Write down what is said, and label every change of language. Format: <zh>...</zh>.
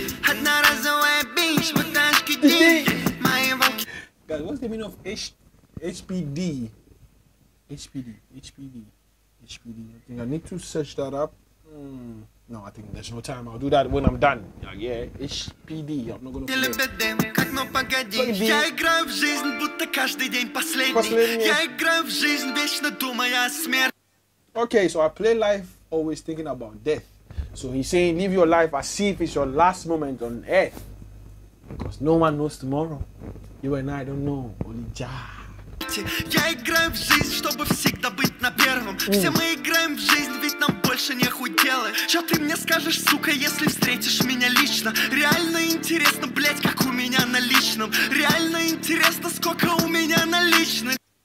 <ru>Одноразовая бич, вот HPD. Мои волки.</ru> <en>Guys, what's the meaning of HPD? HPD, HPD, HPD. I think I need to search that up. No, I think there's no time. I'll do that when I'm done. Yeah, HPD. I'm not gonna play.</en> <ru>Я играю в жизнь, будто каждый день последний. Я играю в жизнь, вечно думая о смерти.</ru> <en>Okay, so I play life always thinking about death. So he's saying, live your life as if it's your last moment on earth. Because no one knows tomorrow. You and I don't know. Only Jah.</en> <ru>Я играю в жизнь, чтобы всегда быть на первом. Все мы играем в жизнь, ведь нам больше нехуй делать. Чё ты мне скажешь, сука, если встретишь меня лично? Реально интересно, блять, как у меня на личном. Реально интересно, сколько у меня на личном.</ru>